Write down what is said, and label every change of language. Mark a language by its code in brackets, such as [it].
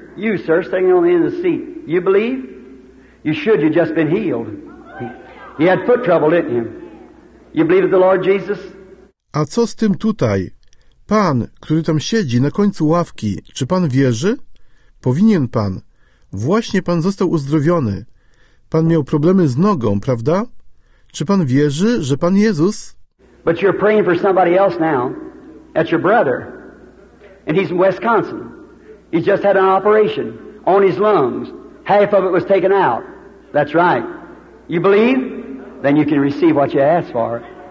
[en] You, sir, sitting on the end of the seat. You believe? You should. You've just been healed. You had foot trouble, didn't you? You believe in the Lord Jesus? [pl] A co z tym tutaj? Pan, który tam siedzi na końcu ławki, czy pan wierzy? Powinien pan. Właśnie pan został uzdrowiony. Pan miał problemy z nogą, prawda? Czy pan wierzy, że pan Jezus? [en] But you're praying for somebody else now. That's your brother. And he's in Wisconsin. He just had an operation on his lungs. Half of it was taken out. That's right. You believe? Then you can receive what you asked for.